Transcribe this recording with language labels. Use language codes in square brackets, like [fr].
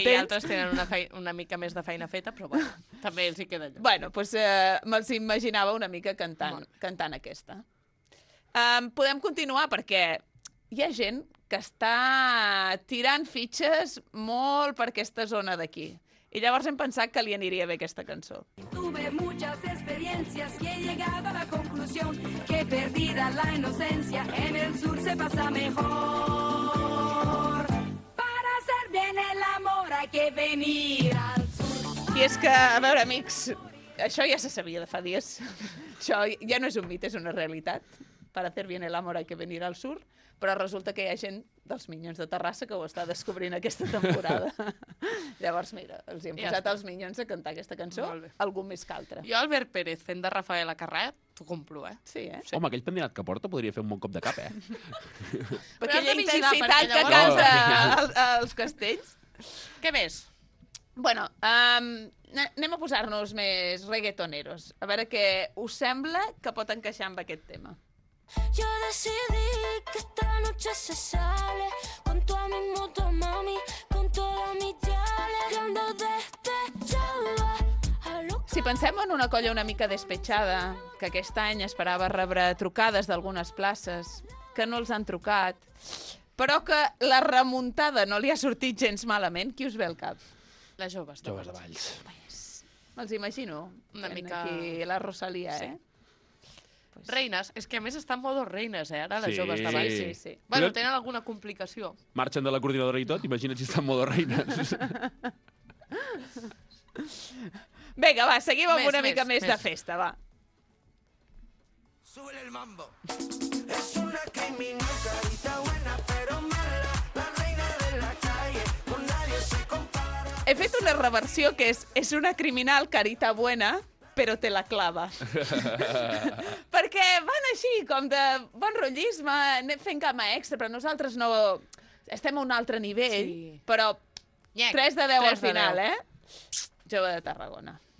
[ca] Sí, i altres tenen una mica més de feina feta, però bueno, també els hi queda allò. Bueno, doncs pues, me'ls imaginava una mica cantant aquesta. Podem continuar, perquè hi ha gent que està tirant fitxes molt per aquesta zona d'aquí. I llavors hem pensat que li aniria bé aquesta cançó. [es] Tuve muchas experiencias y he llegado a la conclusión que perdida la inocencia en el sur se pasa mejor. Para hacer bien el amor hay que venir al sur. [ca] I és que, a veure, amics, això ja se sabia de fa dies. Això ja no és un mite, és una realitat. [es] Para hacer bien el amor hay que venir al sur. [ca] Però resulta que hi ha gent dels Minyons de Terrassa que ho està descobrint aquesta temporada. Llavors, mira, els hem posat els Minyons a cantar aquesta cançó, algú més que altre. Jo, Albert Pérez, fent de Rafaela Carrà, t'ho compro, eh? Sí, eh? Sí. Home, aquell pendinat que porta podria fer un bon cop de cap, eh? Per aquella intensitat que canta als castells. Què més? Bueno, anem a posar-nos més reggaetoneros. A veure què us sembla que pot encaixar amb aquest tema. [es] Yo decidí que esta noche se sale con tu a mi moto, mami, con todos mis chales, ando despechada. [ca] Si pensem en una colla una mica despechada, que aquest any esperava rebre trucades d'algunes places, que no els han trucat, però que la remuntada no li ha sortit gens malament, qui us ve al cap? Les Joves de Valls. Joves de Valls. Me'ls imagino. Una mica... Aquí la Rosalía, sí. Reines. És que, a més, estan modo reines, eh, ara, les sí. Joves de Valls. Sí, sí. Bueno, però tenen alguna complicació. Marxen de la coordinadora i tot, imagina't si estan modo reines. Vinga, va, seguim amb una mica més de festa, va. [es] Sube el mambo. Es una criminal, carita buena, pero mala. La reina de la calle, con nadie se compara. [ca] He fet una reversió que és una criminal, [es] carita buena, [ca] però te la clava. Perquè van així, com de bon rotllisme, anem fent cama extra, però nosaltres no... Estem a un altre nivell, sí. Però 3 de 10 al final, eh? Jove de Tarragona.